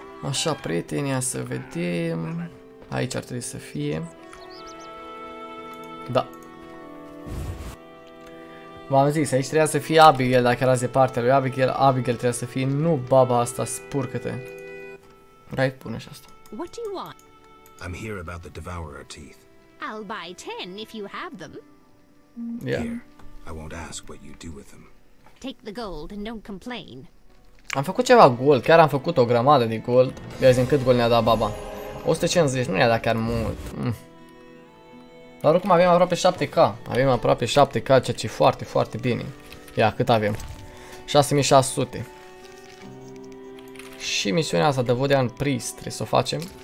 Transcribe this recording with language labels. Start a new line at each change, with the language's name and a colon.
Romanian: Așa, prietenia, să vedem. Aici ar trebui să fie. Da. V-am zis, aici trebuia să fie Abigail, dacă era de partea lui Abigail. Abigail trebuia să fie, nu baba asta, spurcă-te. Hai, pune și asta.
English: What do you want? I'm here about the devourer teeth. I'll buy 10 if you have them. Yeah. Here, I won't ask what you do with them. Take the gold and don't complain.
Romanian: Am făcut ceva gold, chiar am făcut o grămadă de gold. Vezi în cât gold ne-a dat baba. 150, nu ne-a dat chiar mult. Dar oricum avem aproape 7k. Avem aproape 7k, ceea ce e foarte, foarte bine. Ia, cât avem? 6600. Și misiunea asta de Vodian Priest trebuie să o facem.